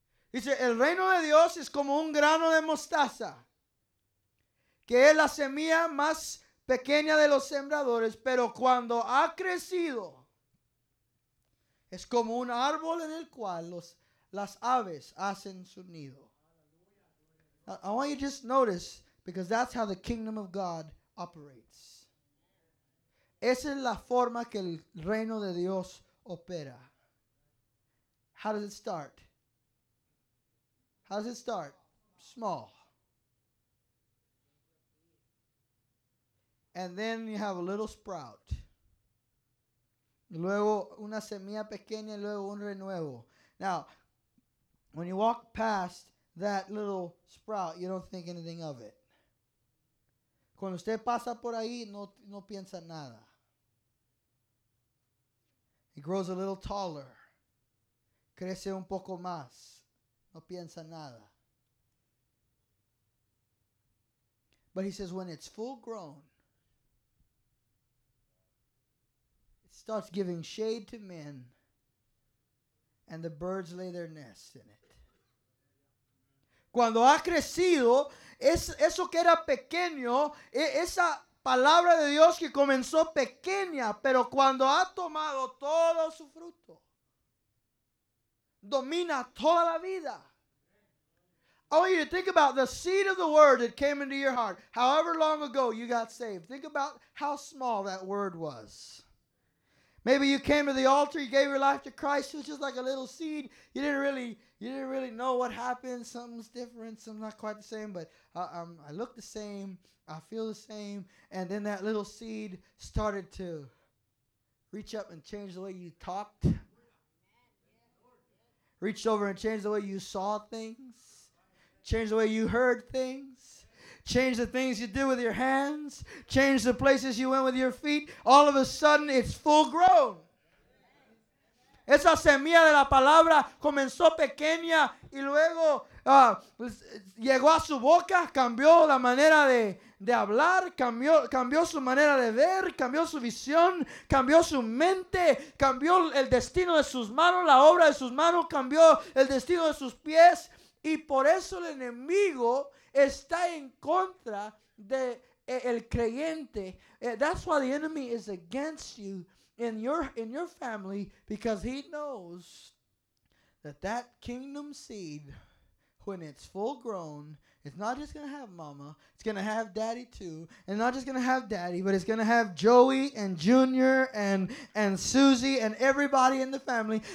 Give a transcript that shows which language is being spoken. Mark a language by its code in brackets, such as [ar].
[es] Dice, el reino de Dios es como un grano de mostaza, que es la semilla más pequeña de los sembradores, pero cuando ha crecido, es como un árbol en el cual las aves hacen su nido. [en] I want you to just notice, because that's how the kingdom of God operates. [es] Esa es la forma que el reino de Dios opera. [en] How does it start? How does it start? Small. And then you have a little sprout. [es] Luego una semilla pequeña y luego un renuevo. [en] Now, when you walk past that little sprout, you don't think anything of it. [es] Cuando usted pasa por ahí, no piensa nada. [en] It grows a little taller. [es] Crece un poco más. No piensa nada. [en] But he says when it's full grown, it starts giving shade to men, and the birds lay their nests in it. [es] Cuando ha crecido, eso que era pequeño, esa palabra de Dios que comenzó pequeña, pero cuando ha tomado todo su fruto, domina toda la vida. [en] I want you to think about the seed of the word that came into your heart, however long ago you got saved. Think about how small that word was. Maybe you came to the altar, you gave your life to Christ, it was just like a little seed. You didn't really know what happened. Something's different, something's not quite the same, but I look the same, I feel the same. And then that little seed started to reach up and change the way you talked. Reached over and changed the way you saw things. Changed the way you heard things. Change the things you do with your hands. Change the places you went with your feet. All of a sudden, it's full grown. [es] Esa semilla de la palabra comenzó pequeña y luego llegó a su boca. Cambió la manera de hablar. Cambió su manera de ver. Cambió su visión. Cambió su mente. Cambió el destino de sus manos. La obra de sus manos cambió el destino de sus pies. Y por eso el enemigo está en contra de el creyente. [en] That's why the enemy is against you in your family, because he knows that kingdom seed, when it's full grown, it's not just going to have mama, it's going to have daddy too, and not just going to have daddy, but it's going to have Joey and Junior and Susie and everybody in the family.